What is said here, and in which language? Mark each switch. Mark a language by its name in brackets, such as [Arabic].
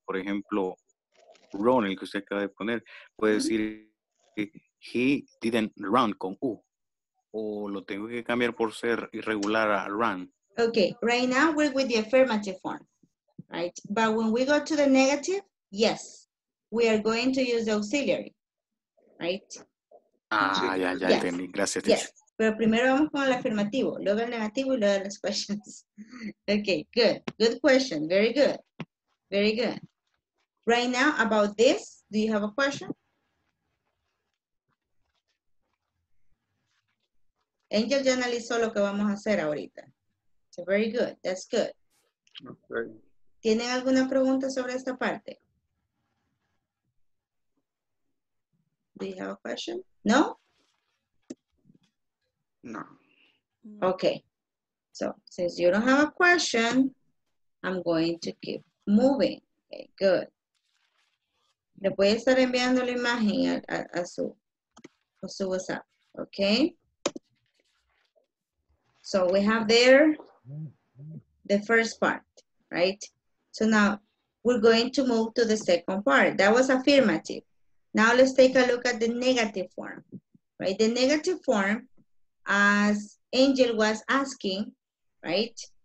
[Spanish] Por ejemplo, run, el que usted acaba de poner, puede decir [English] he didn't run [Spanish] con u, o lo tengo que cambiar por ser irregular a run. [English] Okay, right now we're with the affirmative form, right? But when we go to the negative, yes, we are going to use the auxiliary, right? [Spanish] Ya, yes. Entendí. Gracias. [English] Yes. [Spanish] Pero primero vamos con el afirmativo, luego el negativo y luego las questions. [English] Okay, good. Good question. Very good. Very good. Right now, about this, do you have a question? [Spanish] Angel ya analizó lo que vamos a hacer ahorita. [English] So very good. That's good. Okay. [Spanish] ¿Tienen alguna pregunta sobre esta parte? [English] Do you have a question? No? [Spanish] No. [English] Okay. So, since you don't have a question, I'm going to keep moving. Okay, good. [Spanish] Le voy a estar enviando la imagen a su WhatsApp. [English] Okay? So, we have there the first part, right? So, now, we're going to move to the second part. That was affirmative. Now let's take a look at the negative form, right? The negative form, as Angel was asking, right?